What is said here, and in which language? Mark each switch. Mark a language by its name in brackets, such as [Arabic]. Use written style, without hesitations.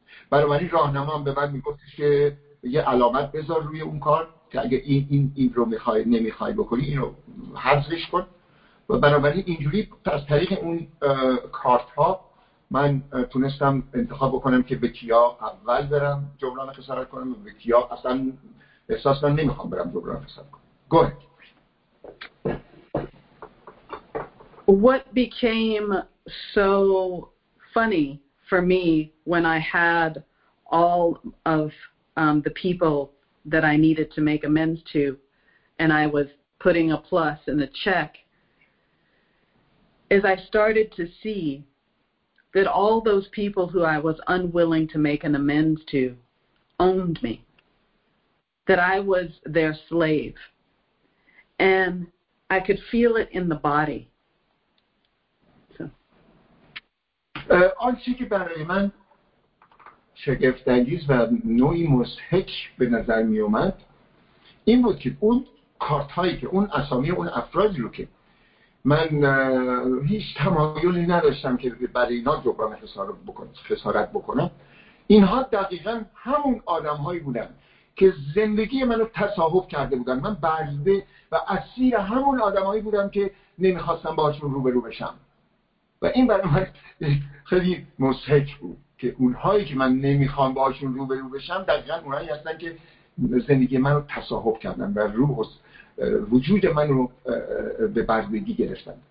[Persian] بنابراین راهنمام به من میگفتش که یه علامت بذار روی اون کار که اگه این رو میخوای نمیخوای بکنی این رو حذفش کن، و بنابراین اینجوری از طریق اون کارت ها من تونستم انتخاب بکنم که به کیا اول برم جبران خسارت کنم و به کیا اصلا احساس من نمیخوام برم جبران خسارت کنم. [English] Go ahead. What became so funny for me when I had all of the people that I needed to make amends to, and I was putting a plus in the check, is I started to see that all those people who I was unwilling to make an amends to owned me, that I was their slave. And I could feel it in the body. [Persian] آنچه که برای من شگفت‌انگیز و نوعی مضحک به نظر می اومد این بود که اون کارت هایی که اون اسامی اون افرادی رو که من هیچ تمایلی نداشتم که برای اینا جبران خسارت بکنم اینها دقیقا همون آدم هایی بودن که زندگی منو تصاحب کرده بودن من بنده و اسیر همون آدم هایی بودم که نمیخواستم باهاشون روبرو بشم و این برای من خیلی مضحک بود که اونهایی که من نمیخوام باهاشون روبرو بشم دقیقاً اونایی هستن که زندگی منو تصاحب کردن و روح وجود من رو به بردگی گرفتن.